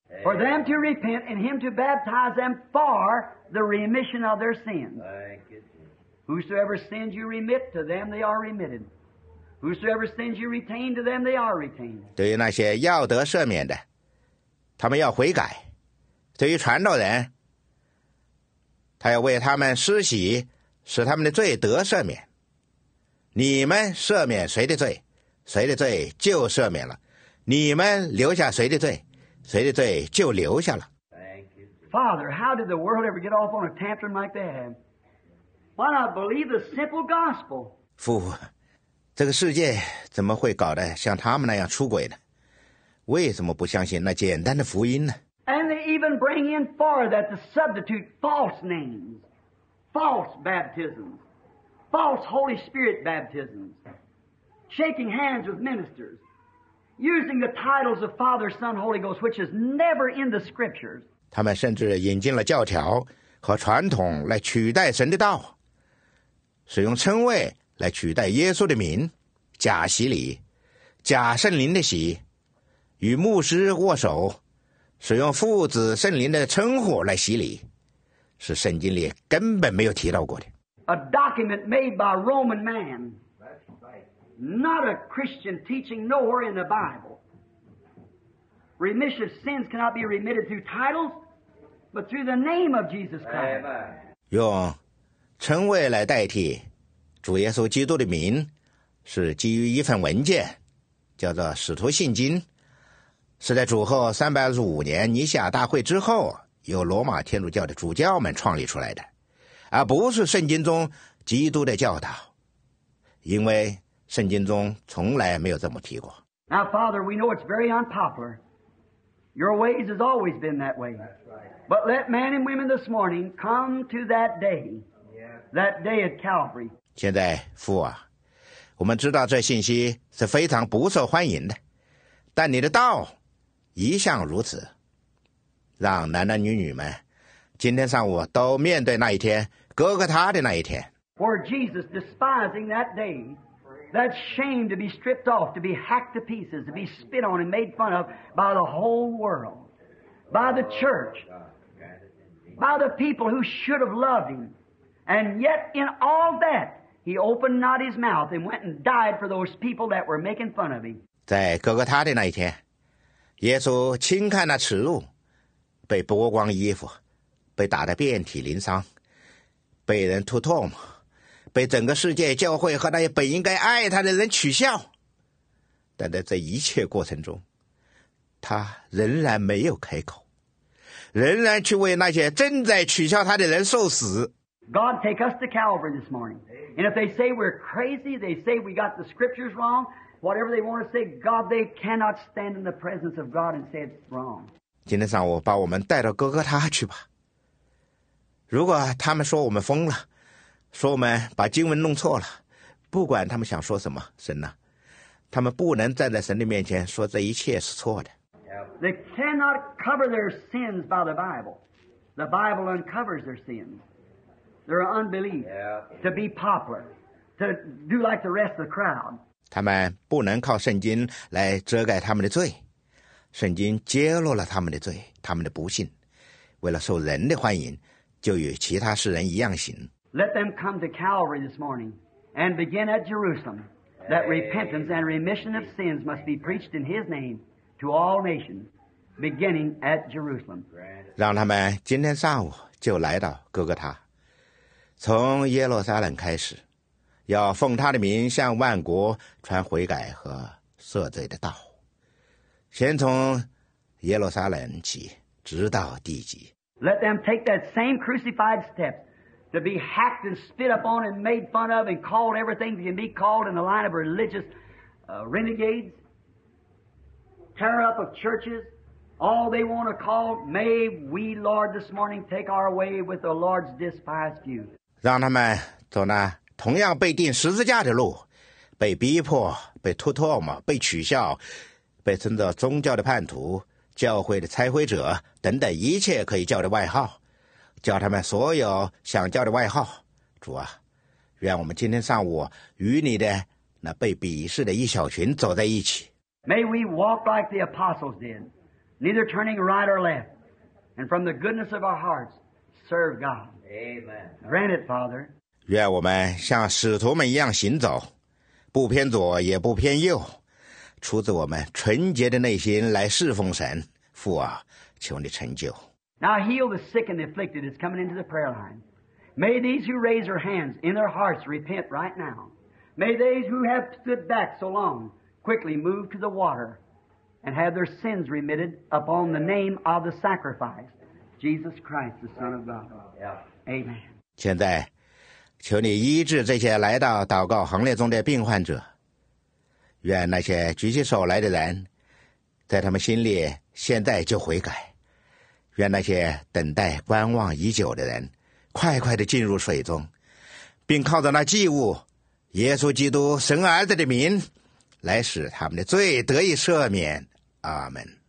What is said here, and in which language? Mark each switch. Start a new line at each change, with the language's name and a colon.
English: For them to repent and him to baptize them for the remission of their sins. Whosoever sins you remit to them, they are remitted. Whosoever sins you retain to them, they are retained.
Chinese: 对于那些要得赦免的，他们要悔改；对于传道人，他要为他们施洗，使他们的罪得赦免。你们赦免谁的罪，谁的罪就赦免了。你们留下谁的罪，谁的罪就留下了。
English: Father, how did the world ever get off on a tantrum like that? Why not believe the simple gospel?
Chinese: 父，这个世界怎么会搞得像他们那样出轨呢？为什么不相信那简单的福音呢？
English: And they even bring in for that to substitute false names, false baptisms, false Holy Spirit baptisms, shaking hands with ministers. Using the titles of Father, Son, Holy Ghost, which is never in the Scriptures.
Chinese: 他们甚至引进了教条和传统来取代神的道，使用称谓来取代耶稣的名，假洗礼，假圣灵的洗，与牧师握手，使用父子圣灵的称呼来洗礼，是圣经里根本没有提到过的。
English: A document made by a Roman man, not a Christian teaching nowhere in the Bible. Remission of sins cannot be remitted through titles, but through the name of Jesus Christ.
Chinese: 用称谓来代替主耶稣基督的名，是基于一份文件，叫做《使徒信经》，是在主后325年尼西亚大会之后，由罗马天主教的主教们创立出来的，而不是圣经中基督的教导，因为圣经中从来没有这么提过。
English: Now, Father, we know it's very unpopular. Your ways has always been that way. But let men and women this morning come to that day at Calvary.
Chinese: 现在，父啊，我们知道这信息是非常不受欢迎的，但你的道一向如此，让男男女女们今天上午都面对那一天，哥哥他的那一天。
English: For Jesus despising that day, that shame to be stripped off, to be hacked to pieces, to be spit on and made fun of by the whole world, by the church, by the people who should have loved him. And yet in all that, he opened not his mouth and went and died for those people that were making fun of him.
Chinese: 在哥哥他的那一天，耶稣轻看那耻辱，被剥光衣服，被打得遍体鳞伤，被人吐唾沫，被整个世界教会和那些本应该爱他的人取笑，但在这一切过程中，他仍然没有开口，仍然去为那些正在取笑他的人受死。
English: God take us to Calvary this morning. And if they say we're crazy, they say we got the scriptures wrong, whatever they want to say, God, they cannot stand in the presence of God and say it's wrong.
Chinese: 今天上午把我们带到哥哥他去吧。如果他们说我们疯了，说我们把经文弄错了，不管他们想说什么，神呐，他们不能站在神的面前说这一切是错的。
English: They cannot cover their sins by the Bible. The Bible uncovers their sins. Their unbelief to be popular, to do like the rest of the crowd.
Chinese: 他们不能靠圣经来遮盖他们的罪，圣经揭露了他们的罪，他们的不信，为了受人的欢迎，就与其他世人一样行。
English: Let them come to Calvary this morning and begin at Jerusalem. That repentance and remission of sins must be preached in His name to all nations, beginning at Jerusalem.
Chinese: 让他们今天上午就来到哥哥他，从耶路撒冷开始，要奉他的名向万国传悔改和赦罪的道。先从耶路撒冷起，直到地极。
English: Let them take that same crucified step to be hacked and spit upon and made fun of and called everything that can be called in the line of religious renegades, tear up of churches, all they want to call. May we, Lord, this morning take our way with the Lord's despised few.
Chinese: 让他们走那同样被钉十字架的路，被逼迫，被吐唾沫，被取笑，被称作宗教的叛徒，教会的拆毁者等等一切可以叫的外号，叫他们所有想叫的外号。主啊，愿我们今天上午与你的那被鄙视的一小群走在一起。
English: May we walk like the apostles did, neither turning right or left, and from the goodness of our hearts serve God. Amen. Grant it, Father.
Chinese: 愿我们像使徒们一样行走，不偏左也不偏右，出自我们纯洁的内心来侍奉神。父啊，求你成就。
English: Now heal the sick and the afflicted is coming into the prayer line. May these who raise their hands in their hearts repent right now. May these who have stood back so long quickly move to the water and have their sins remitted upon the name of the sacrifice, Jesus Christ, the Son of God. Amen.
Chinese: 现在求你医治这些来到祷告行列中的病患者。愿那些举起手来的人，在他们心里现在就悔改；愿那些等待观望已久的人，快快地进入水中，并靠着那祭物，耶稣基督神儿子的名，来使他们的罪得以赦免。阿门。